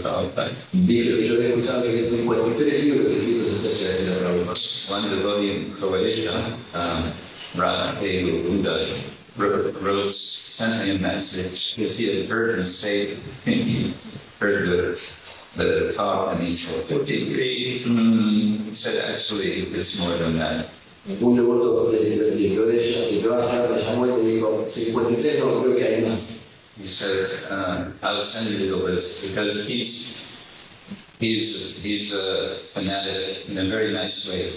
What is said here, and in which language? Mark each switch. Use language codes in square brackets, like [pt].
[en] Prabhupāda. One devotee in Croatia, sent me a message because he had heard him say, he heard the talk, and he said, 53. He said, actually, it's more than that. [es] Un devoto de Croacia que trabaja me llamó y me dijo 53, no creo que hay más. [en] He said, I'll send you the list because he's a fanatic in a very nice way.